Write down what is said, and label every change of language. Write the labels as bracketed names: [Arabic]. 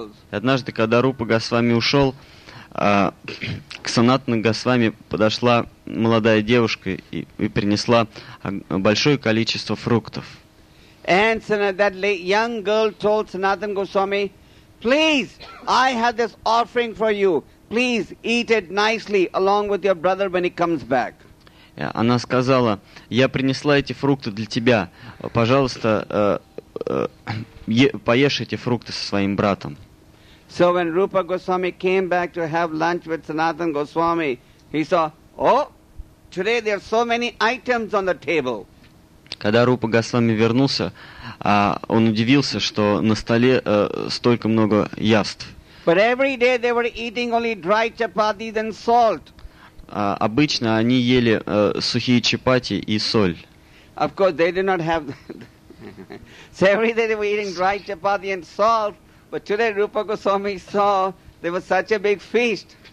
[Russian] Однажды, когда Рупа Госвами ушел, к Санатана Госвами подошла молодая девушка и принесла большое количество фруктов. [English] And that young girl told Sanatana Goswami, "Please, I have this offering for you. Please eat it nicely along with your brother when he comes back." [Russian] Она сказала: "Я принесла эти фрукты для тебя. Пожалуйста, поешь эти фрукты со своим братом." [English] So when Rupa Goswami came back to have lunch with Sanatan Goswami, he saw, "Oh, today there are so many items on the table." [Russian] Когда Рупа Госвами вернулся, он удивился, что на столе столько много яств. [English] But every day they were eating only dry chapatis and salt. [Russian] Обычно они ели сухие чапати и соль. [English] Of course, they did not have. So every day they were eating dry chapati and salt. But today Rupa Goswami saw there was such a big feast.